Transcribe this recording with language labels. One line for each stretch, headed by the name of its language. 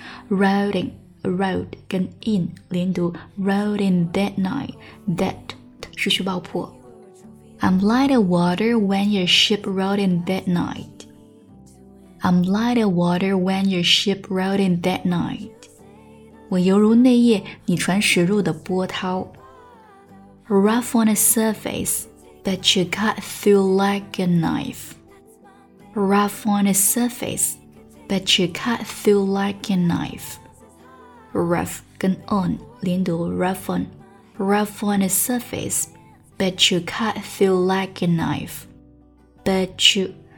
English: Rolling, rolled 跟 in 连读 rolled in that night, that 是去爆破。 I'm like the water when your ship rolled in that night. I'm like the water when your ship rolled in that night.
Chinese: 我犹如那夜你船驶入的波涛。
English: Rough on the surface, but you cut through like a knife. Rough on the surface, but you cut through like a knife. Rough 跟 on 连读 rough on. Rough on the surface, but you cut through like a knife. But you...